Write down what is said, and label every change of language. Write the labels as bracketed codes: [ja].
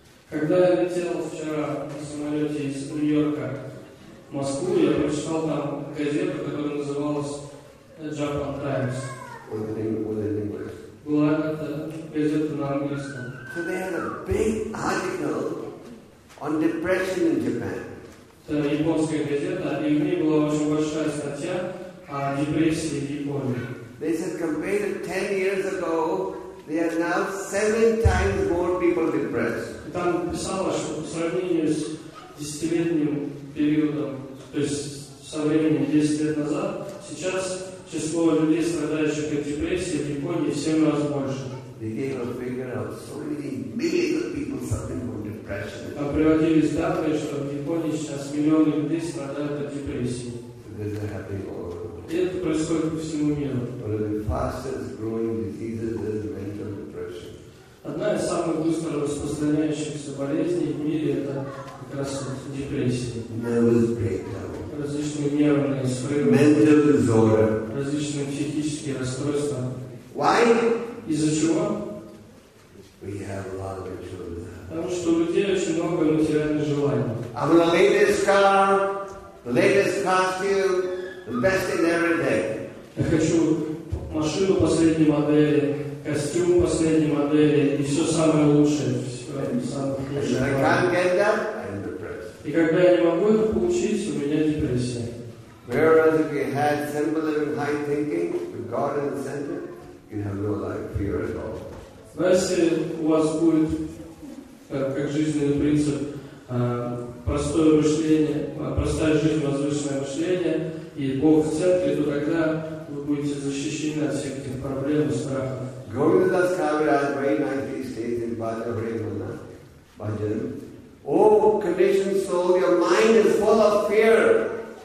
[ru] Когда я летел вчера в самолете из Нью-Йорка в Москву, я прочитал там газету, которая называлась Japan Times. Была это газета на английском. [en] So they had a big article on depression in Japan. [ru] Это японская газета, и в ней была очень большая статья о депрессии в Японии. [en] They said compared to 10 years ago, they are now 7 times more people depressed. [ru] Там писалось, что по сравнению с 10-летним периодом, то есть со временем 10 лет назад, сейчас число людей, страдающих от депрессии в Японии, в 7 раз больше. [en] They gave a figure of so many millions of people suffering from depression. [ru] Там приводились данные, что в Японии сейчас миллионы людей страдают от депрессии. [en] So this is happening all over the world. [ru] И это происходит по всему миру. [en] One of the fastest growing diseases is mental depression. [ru] Одна из самых быстро распространяющихся болезней в мире это как раз депрессия. [en] Nervous breakdown. [ru] Различные нервные срывы. [en] Mental disorder. [ru] Различные психические расстройства. [en] Why? [ru] Из-за чего? [en] We have a lot of ritual. [ru] Потому что у людей очень много материальных желаний. [en] I want the latest car, the latest costume, the best thing every day. [ru] Я хочу машину последней модели, костюм последней модели и все самое лучшее. [en] And I can't get that, I'm depressed. [ru] И когда я не могу это получить, у меня депрессия. [en] Whereas if you had simple living, high thinking, with God in the center, you have no life fear at all. [ru] Но если у вас будет как жизненный принцип простое мышление, простая жизнь, возвышенное мышление и Бог в центре, то тогда вы будете защищены от всех этих проблем и страхов. [en] Govinda Das Kaviraj very nicely says in Bhajavrimana Bhajan, O conditioned soul, your mind is full of fear.